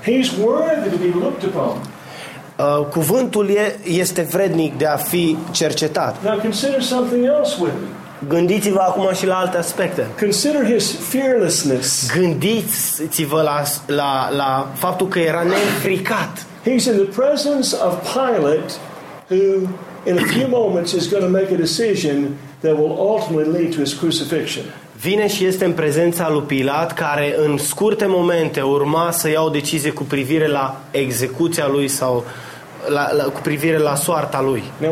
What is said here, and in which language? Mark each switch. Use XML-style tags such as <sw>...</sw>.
<en>He's worthy to be looked upon.</en> <ro>Cuvântul este vrednic de a fi cercetat.</ro> <en>Now consider something else with me.</en> <ro>Gândiți-vă acum și la alte aspecte.</ro> <en>Consider his fearlessness.</en> <ro>Gândiți-vă la faptul că era neînfricat.</ro> <en>He's in the presence of Pilate, who in a few moments is going to make a decision that will ultimately lead to his crucifixion.</en> <ro>Vine și este în prezența lui Pilat, care în scurte momente urma să ia o decizie cu privire la execuția lui sau cu privire la soarta lui.</ro>